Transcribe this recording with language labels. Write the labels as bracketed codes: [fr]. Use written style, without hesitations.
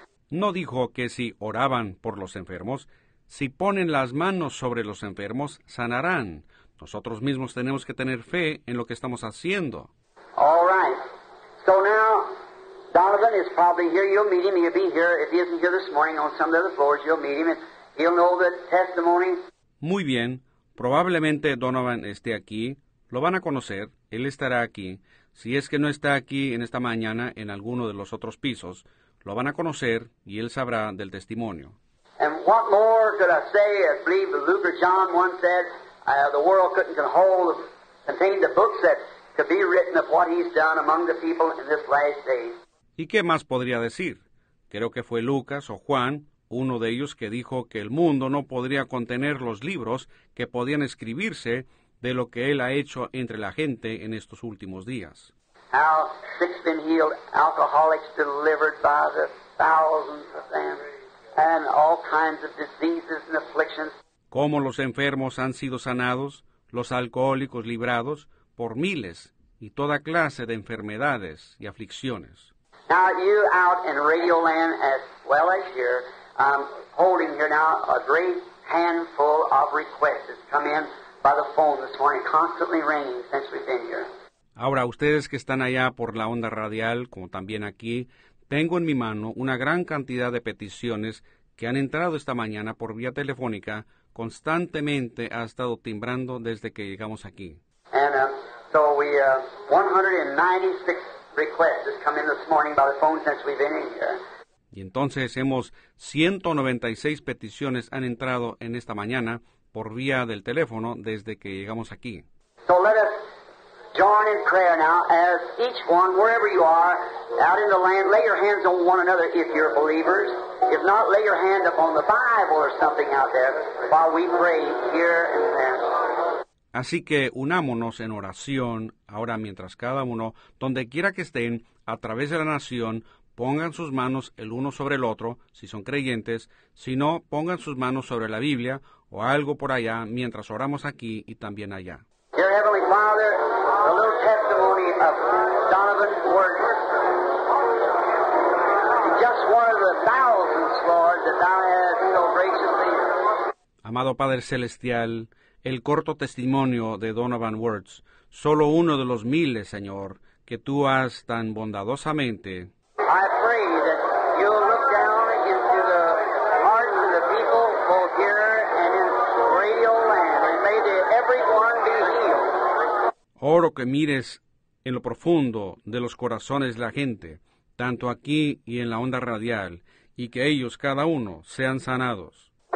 [es] No dijo que si oraban por los enfermos, si ponen las manos sobre los enfermos, sanarán. Nosotros mismos tenemos que tener fe en lo que estamos haciendo. [en] All right. So now, Donovan is probably here. You'll meet him. He'll be here. If he isn't here this morning on some of the other floors, you'll meet him. And he'll know the testimony. [es] Muy bien. Probablemente Donovan esté aquí. Lo van a conocer. Él estará aquí. Si es que no está aquí en esta mañana en alguno de los otros pisos, lo van a conocer y él sabrá del testimonio. [en] And what more could I say? I believe Luke or John once said, the world couldn't contain the books that could be written of what he's done among the people in this last day. [es] ¿Y qué más podría decir? Creo que fue Lucas o Juan, uno de ellos, que dijo que el mundo no podría contener los libros que podían escribirse de lo que él ha hecho entre la gente en estos últimos días. [en] How six been healed, alcoholics delivered by the thousands of them, and all kinds of diseases and afflictions. [es] Cómo los enfermos han sido sanados, los alcohólicos librados por miles y toda clase de enfermedades y aflicciones. [en] Now you out in Radio Land as well as here, I'm holding here now a great handful of requests that's come in by the phone this morning, constantly ringing since we've been here. [es] Ahora, ustedes que están allá por la onda radial, como también aquí, tengo en mi mano una gran cantidad de peticiones que han entrado esta mañana por vía telefónica, constantemente ha estado timbrando desde que llegamos aquí. [en] And so we have 196 requests has come in this morning by the phone since we've been in here. [es] Y entonces hemos 196 peticiones han entrado en esta mañana por vía del teléfono desde que llegamos aquí. [en] So let us join in prayer now as each one, wherever you are, out in the land, lay your hands on one another if you're believers. If not, lay your hand upon the Bible or something out there while we pray here and there. [es] Así que unámonos en oración ahora mientras cada uno, donde quiera que estén, a través de la nación, pongan sus manos el uno sobre el otro, si son creyentes, si no, pongan sus manos sobre la Biblia o algo por allá mientras oramos aquí y también allá. [en] Dear Heavenly Father, the little testimony of Donovan Worden. Just one of the thousands, Lord, that thou hast so graciously. [es] Amado Padre Celestial, el corto testimonio de Donovan Words, solo uno de los miles, Señor, que tú has tan bondadosamente. [en] I pray that you'll look down into the hearts of the people, both here and in radio land, and may everyone be healed. [es] Oro que mires en lo profundo de los corazones de la gente, tanto aquí y en la onda radial, y que ellos, cada uno, sean sanados.